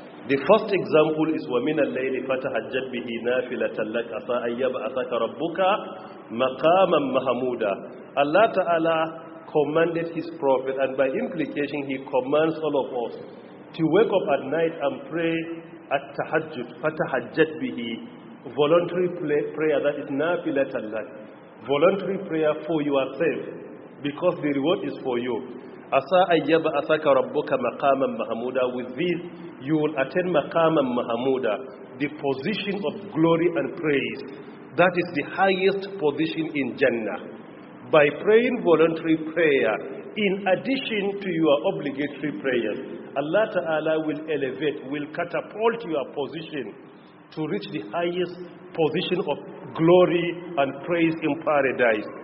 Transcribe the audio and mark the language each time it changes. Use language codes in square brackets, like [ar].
[en] The first example is [ar] وَمِنَ اللَّيْلِ فَتَهَجَّدْ بِهِ نَافِلَةً لَكَ عَسَىٰ أَن يَبْعَثَكَ رَبُّكَ مَقَامًا مَحْمُودًا. [en] Allah Ta'ala commanded His Prophet, and by implication He commands all of us to wake up at night and pray at tahajjud, [ar] فَتَهَجَّدْ بِهِ, [en] voluntary prayer that is [ar] نَافِلَةً لَكَ, [en] voluntary prayer for yourself, because the reward is for you. [ar] عَسَىٰ أَن يَبْعَثَكَ رَبُّكَ مَقَامًا مَحْمُودًا. [en] With this, you will attain maqama mahamuda, the position of glory and praise. That is the highest position in Jannah. By praying voluntary prayer, in addition to your obligatory prayers, Allah Ta'ala will elevate, will catapult your position to reach the highest position of glory and praise in paradise.